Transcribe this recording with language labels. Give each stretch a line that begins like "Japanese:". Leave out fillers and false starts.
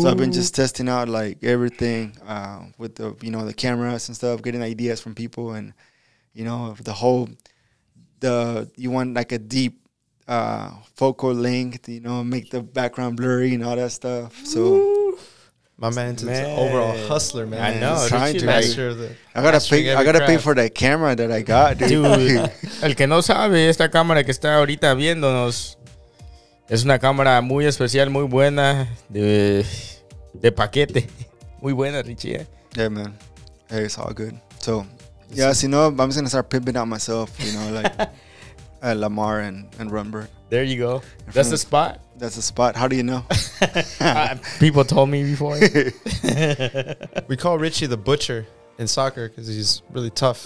English: So I've been just testing out, like, everything with the, you know, the cameras and stuff, getting ideas from people and, you know, the whole, you want, like, a deep focal length, you know, make the background blurry and all that stuff. So my man's an overall hustler, man. I know. He's trying to. I gotta pay for that camera that I got. Dude.
Spanish: El que no sabe, esta cámara que está ahorita viéndonos, es una cámara muy especial, muy buena, de paquete. Muy buena, Richie. Eh?
English: Yeah, man. Hey, it's all good. So, yeah, so, you know, I'm just going to start pimping out myself, you know, like at Lamar and Runberg. There you go. That's the spot? That's the spot. How do you know? people told me before. We call Richie the butcher in soccer because he's really tough.